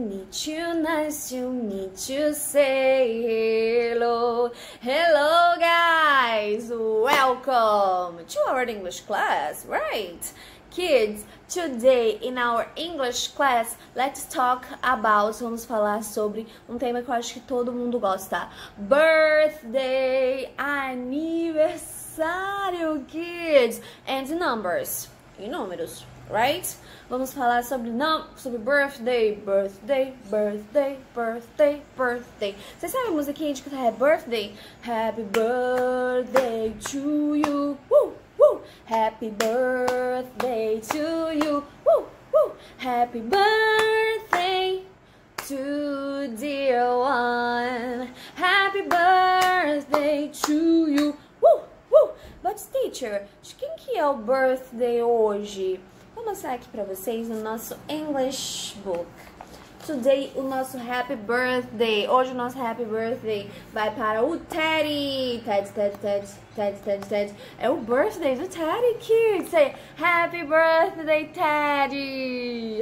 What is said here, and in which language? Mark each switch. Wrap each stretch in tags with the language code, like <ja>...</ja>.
<en>too nice to me to say hello. Hello, guys! Welcome to our English class, right? Kids, today in our English class, let's talk about,</en> <pt>vamos falar sobre um tema que eu acho que todo mundo gosta.</pt> <en>Birthday,</en> <pt>aniversário,</pt> <en>kids, and numbers,</en> <pt>e números,</pt> <en>right?</en> <pt>Vamos falar sobre, sobre birthday, birthday, birthday, birthday, birthday. Vocês sabem a musiquinha de que é birthday?</pt> <en>Happy birthday to you, woo! Happy birthday to you. Woo, woo. Happy birthday to dear one. Happy birthday to you. Woo, woo. But teacher,</en> <pt>de quem que é o birthday hoje? Vou mostrar aqui pra vocês no nosso English book.</pt> <en>Today,</en> <pt>o nosso</pt> <en>happy birthday.</en> <pt>Hoje, o nosso</pt> <en>happy birthday</en> <pt>vai para o Teddy. Ted. É o birthday do Teddy, kids.</pt> <en>Say, happy birthday, Teddy.</en>